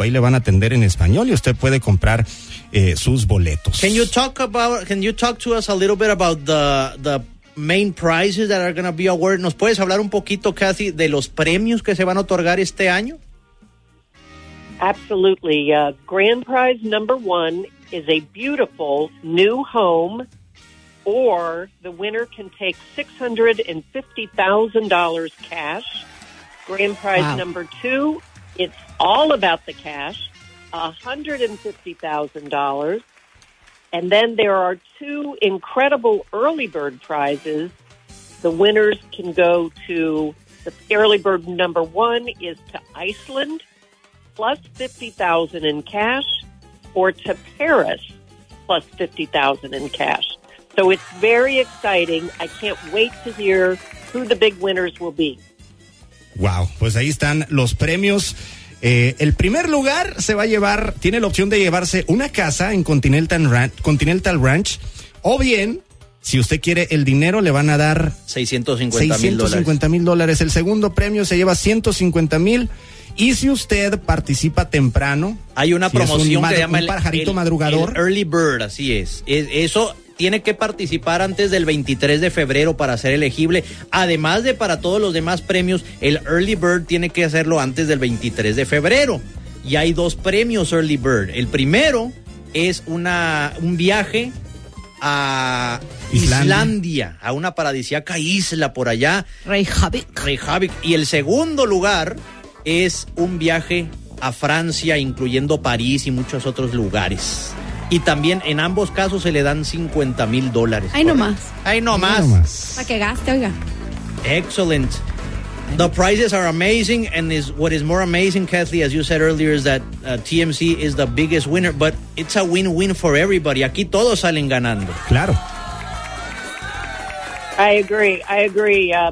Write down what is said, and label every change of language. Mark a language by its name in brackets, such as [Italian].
[Spanish] Ahí le van a atender en español y usted puede comprar sus boletos. [English] Can you talk to us a little bit about the main prizes that are going to be awarded? [Spanish] ¿Nos puedes hablar un poquito, Kathy, de los premios que se van a otorgar este año? [English] Absolutely. Grand prize number one is a beautiful new home, or the winner can take $650,000 cash. Grand prize number two, it's all about the cash, $150,000. And then there are two incredible early bird prizes. The winners can go to, the early bird number one is to Iceland, plus $50,000 in cash, or to Paris, plus $50,000 in cash. So it's very exciting. I can't wait to hear who the big winners will be. [Spanish] Wow, pues ahí están los premios. El primer lugar se va a llevar, tiene la opción de llevarse una casa en Continental Ranch, o bien Si usted quiere el dinero, le van a dar 650 mil dólares. El segundo premio se lleva 150 mil. Y si usted participa temprano, hay una promoción que se llama un pajarito madrugador, el early bird, así es. Eso tiene que participar antes del 23 de febrero para ser elegible. Además de para todos los demás premios, el early bird tiene que hacerlo antes del 23 de febrero. Y hay dos premios early bird. El primero es un viaje a Islandia, a una paradisíaca isla por allá, Reykjavik. Y el segundo lugar es un viaje a Francia, incluyendo París y muchos otros lugares. Y también en ambos casos se le dan 50 mil dólares. Ahí no más. Para que gaste, oiga. [English] Excellent. The prices are amazing, and is what is more amazing, Kathy, as you said earlier, is that TMC is the biggest winner, but it's a win-win for everybody. [Spanish] Aquí todos salen ganando. Claro. [English] I agree.